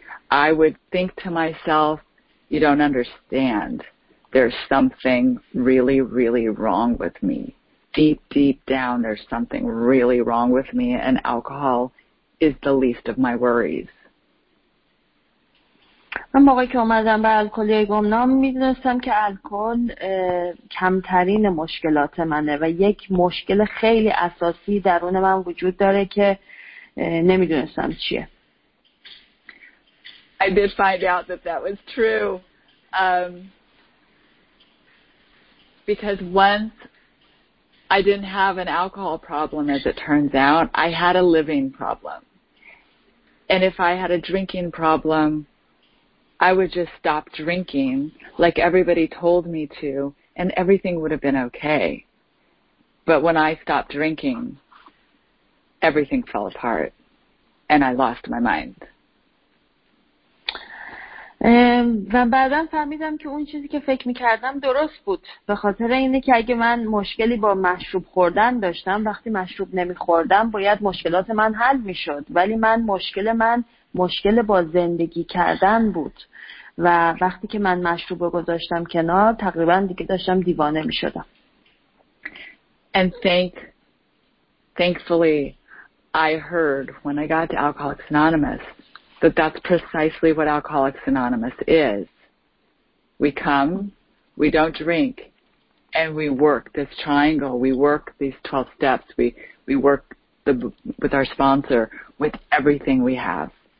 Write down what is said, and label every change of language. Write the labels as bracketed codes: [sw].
[en] I would think to myself, you don't understand. There's something really, really wrong with me. Deep, deep down, there's something really wrong with me, and alcohol is the least of my worries. [fa] من موقعی که اومدم به الکلی گمنام میدونستم که الکل کمترین مشکلات منه و یک مشکل خیلی اساسی درون من وجود داره که نمیدونستم چیه. [en] I did find out that that was true. Because once I didn't have an alcohol problem, as it turns out, I had a living problem. And if I had a drinking problem, I would just stop drinking like everybody told me to, and everything would have been okay. But when I stopped drinking, everything fell apart and I lost my mind. [fa] و بعدم فهمیدم که اون چیزی که فکر میکردم درست بود، به خاطر اینه که اگه من مشکلی با مشروب خوردن داشتم، وقتی مشروب نمیخوردم باید مشکلات من حل میشد، ولی من مشکل من مشکل با زندگی کردن بود و وقتی که من مشروب رو گذاشتم کنار تقریبا دیگه داشتم دیوانه می شدم. [en] And thankfully I heard when I got to Alcoholics Anonymous that that's precisely what Alcoholics Anonymous is. We come, we don't drink, and we work this triangle, we work these 12 steps, we work the with our sponsor with everything we have.